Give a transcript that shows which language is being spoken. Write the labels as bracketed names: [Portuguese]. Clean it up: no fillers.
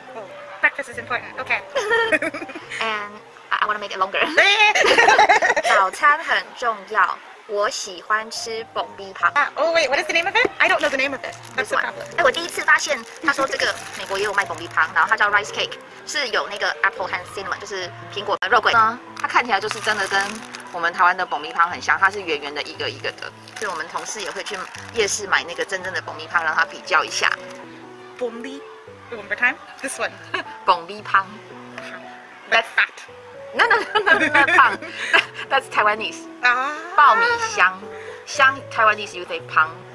[English] Oh, breakfast is important. Okay. And I want to make it longer. [Chinese] 早餐很重要。我喜欢吃蹦逼糖。 [English] Oh wait, what is the name of it? I don't know the name of it. That's the problem. [Chinese] 我第一次发现，他说这个美国也有卖蹦逼糖，然后它叫 rice cake， 是有那个 apple 和 cinnamon， 就是苹果肉桂。它看起来就是真的跟我们台湾的蹦逼糖很像，它是圆圆的一个一个的。所以我们同事也会去夜市买那个真正的蹦逼糖，让它比较一下。 [English] 蹦逼 ，one more time, this one. [Chinese] 蹦逼糖。 [English] That's fat. No, 胖。That's Taiwanese. Ah. [Chinese] 爆米香，香 [English] Taiwanese you say [Chinese] 胖。